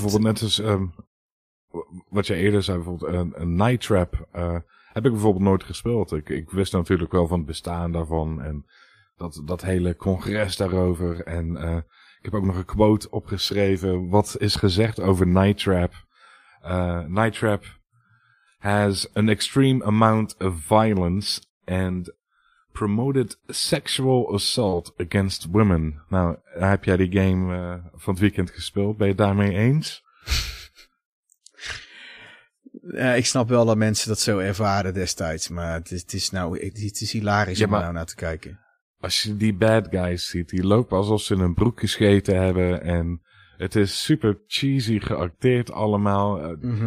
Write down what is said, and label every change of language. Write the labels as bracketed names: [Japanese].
[Dutch] bijvoorbeeld net als wat jij eerder zei, bijvoorbeeld een Night Trap, heb ik bijvoorbeeld nooit gespeeld. Ik wist natuurlijk wel van het bestaan daarvan en dat hele congres daarover. En ik heb ook nog een quote opgeschreven. Wat is gezegd over Night Trap? [English] Night Trap has an extreme amount of violence and promoted sexual assault against women. [Dutch] Nou, heb jij die game van het weekend gespeeld? Ben je het daarmee eens? Ik snap wel dat mensen dat zo ervaren destijds, maar het is hilarisch om nou naar te kijken. Als je die [English] bad guys [Dutch] ziet, die lopen alsof ze in een broek gescheten hebben en het is super cheesy geacteerd allemaal.